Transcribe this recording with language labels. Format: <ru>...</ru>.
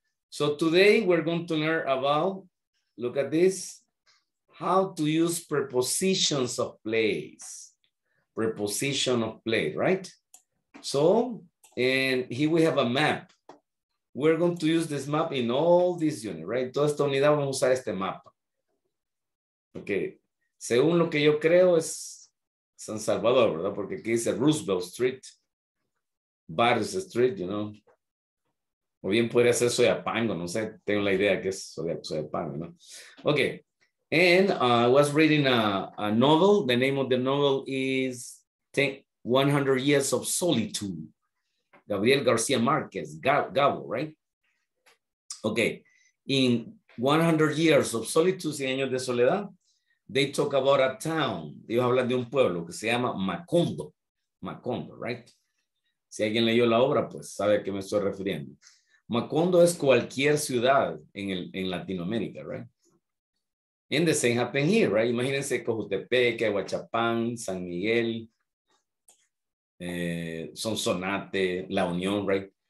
<en>So today we're going to learn about, look at this, how to use prepositions of place. Preposition of place, right? So, and here we have a map. We're going to use this map in all this unit, right?</en> <es>Toda esta unidad vamos a usar este mapa. Okay. Según lo que yo creo es San Salvador, ¿verdad? Porque aquí dice Roosevelt Street, Barrios Street,</es> <en>you know.</en> <es>O bien podría ser Soyapango, no sé, tengo la idea que es Soyapango, ¿no?</es> <en>Okay, and I was reading a novel. The name of the novel is 100 Years of Solitude. Gabriel García Márquez, Gabo, right? Okay, in 100 Years of Solitude, 100 años de soledad, they talk about a town.</en> <es>Ellos hablan de un pueblo que se llama Macondo. Macondo, right? Si alguien leyó la obra, pues sabe a qué me estoy refiriendo. Macondo es cualquier ciudad en Latinoamérica, right?</es> <en>And the same happened here, right?</en> <es>Imagínense</es> <en>Cojutepeque, Aguachapán, San Miguel, Sonsonate, La Unión, right?</en>